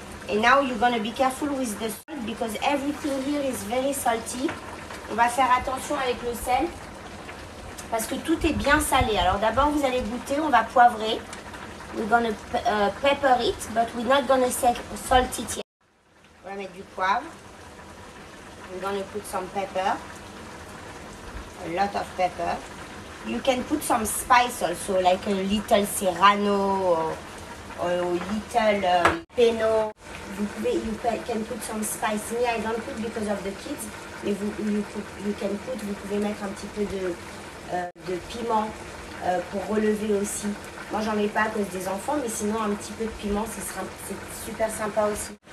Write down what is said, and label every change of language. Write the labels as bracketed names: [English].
[English] And now you're gonna be careful with the salt because everything here is very salty. [French] On va faire attention avec le sel parce que tout est bien salé. Alors d'abord vous allez goûter, on va poivrer. [English] We're gonna pepper it, but we're not gonna salt it yet. [French] On va mettre du poivre. [English] We're gonna put some pepper. A lot of pepper. You can put some spice also, like a little serrano or a little peno. You can put some spice. Me, I don't put because of the kids. [French] Mais vous pouvez mettre un petit peu de piment pour relever aussi. Moi, j'en mets pas à cause des enfants, mais sinon, un petit peu de piment, c'est super sympa aussi.